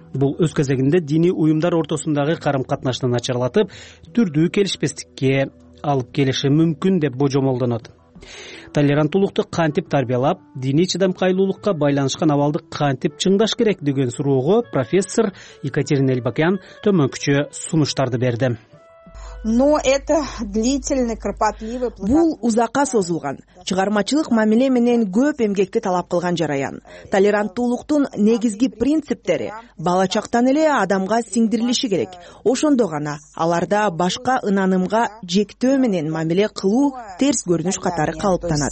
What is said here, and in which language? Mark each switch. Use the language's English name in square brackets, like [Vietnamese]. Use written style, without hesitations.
[Kyrgyz] Бул өз кезегинде диний уюмдар ортосундагы карым катнашты начарлатып, түрдүү келишпестикке алып келиши мүмкүн деп божомолдонот. Толеранттуулукту кантип тарбиялап, диний чыдамкайлуулукка байланышкан абалды кантип чыңдаш керек деген суроого профессор Екатерина Эльбакян төмөнкүчө сунуштарды берди. [Russian] Но это длительный, кропотливый процесс. [Kyrgyz] Бул узакка созулган, чыгармачылык мамиле менен көп эмгекти талап кылган жараян. Толеранттуулуктун негизги принциптери бала чактан эле адамга сиңдирилиши керек. Ошондо гана аларда башка ынанымга жектөө менен мамиле кылуу терс көрүнүш катары калыптанат.